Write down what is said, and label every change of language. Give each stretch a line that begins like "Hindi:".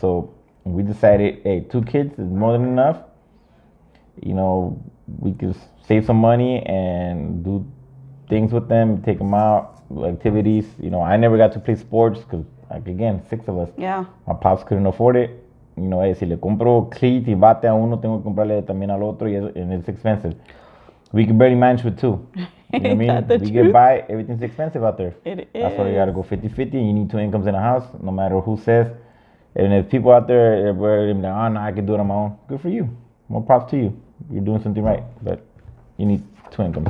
English: So we decided, hey, two kids is more than enough. You know, we could save some money and do things with them, take them out, activities. You know, I never got to play sports because, like, again, six of us. Yeah. My pops couldn't afford it. You know, hey,
Spanish: si le compro cleat y bate a uno, tengo que comprarle también al otro,
English: and it's expensive. We can barely manage with two. You know what I mean? Get by, everything's expensive out there. It is. That's why you gotta go 50-50, and you need two incomes in a house, no matter who says. And if people out there were like, oh, no, I can do it on my own, good for you. More props to you. You're doing something right, but you need two incomes.